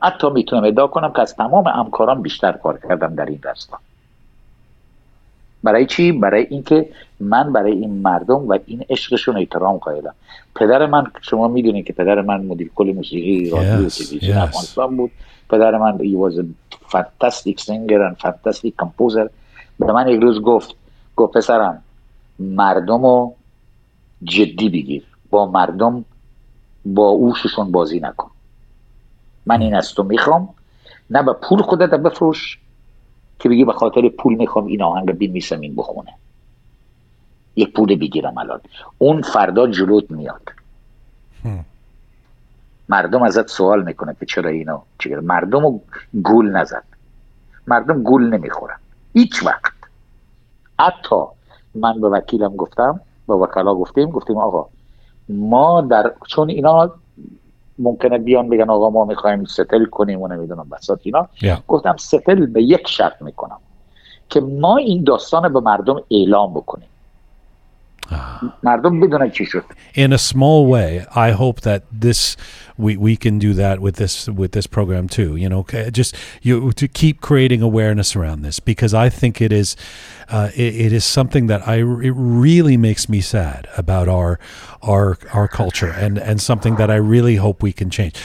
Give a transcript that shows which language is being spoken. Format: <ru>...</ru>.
<fa>حتی میتونم ادعا کنم که از تمام همکاران بیشتر کار کردم در این راستا. برای چی؟ برای اینکه من برای این مردم و این عشقشون احترام قائلم. پدر من، شما میدونید که پدر من مدیر کل موسیقی رادیو تلویزیون افغانستان بود. پدر من</fa> <en>he was a fantastic singer and fantastic composer.</en> <fa>به من یک روز گفت پسرم، مردمو جدی بگیر، با مردم با اوششون بازی نکن. من این از تو میخوام، نه به پول خودت بفروش که بگی به خاطر پول میخوام این آهنگ رو بنویسم این بخونه، یک پول بگیرم الان، اون فردا جلوت میاد. مردم ازت سوال میکنه که چرا اینو چیکار. مردمو گول نزد، مردم گول نمیخورن هیچ وقت. حتی من به وکیلم گفتم، به وکلا گفتیم آقا ما در، چون اینا ممکنه بیان بگن آقا ما میخوایم ستل کنیم و نمیدونم بسات اینا. گفتم ستل به یک شرط میکنم، که ما این داستان رو به مردم اعلام بکنیم. مردم بدونن چی شد.</fa> <en>In a small way, I hope that this we can do that with this program too. You know, just you to keep creating awareness around this because I think it is it is something that I it really makes me sad about our culture and something that I really hope we can change.</en>